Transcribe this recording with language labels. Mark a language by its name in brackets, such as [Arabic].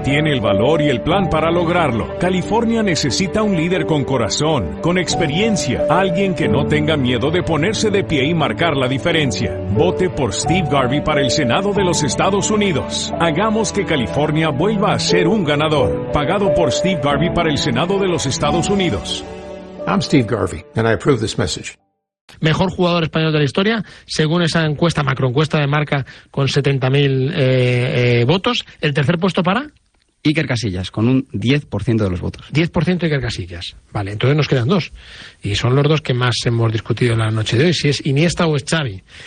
[Spanish] Tiene el valor y el plan para lograrlo. California necesita un líder con corazón, con experiencia, alguien que no tenga miedo de ponerse de pie y marcar la diferencia. Vote por Steve Garvey para el Senado de los Estados Unidos. Hagamos que California vuelva a ser un ganador. Pagado por Steve Garvey para el Senado de los Estados Unidos. [English] I'm Steve Garvey, and I approve this message. [Spanish] Mejor jugador español de la historia, según esa encuesta, macroencuesta de Marca, con 70.000 votos. ¿El tercer puesto para? Iker Casillas, con un 10% de los votos. 10% Iker Casillas. Vale, entonces nos quedan dos. Y son los dos que más hemos discutido en la noche de hoy, si es Iniesta o es Xavi.